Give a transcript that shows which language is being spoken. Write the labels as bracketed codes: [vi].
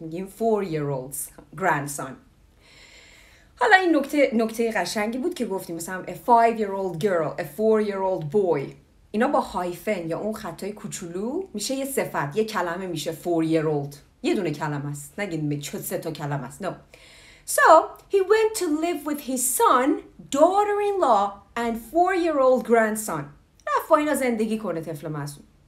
[en] میگیم 4 year old's grandson. [fa] حالا این نکته قشنگی بود که گفتیم مثلا [en] a 5 year old girl, a 4 year old boy. [fa] اینا با هایفن یا اون خطای کوچولو میشه یه صفت. یه کلمه میشه 4 year old. یه دونه کلمه است. نگیدیم چه سه تا کلمه است. No. [en] So, he went to live with his son, daughter-in-law, and 4 year old grandson. [fa] رفت با اینا زندگی کنه طفل معصوم.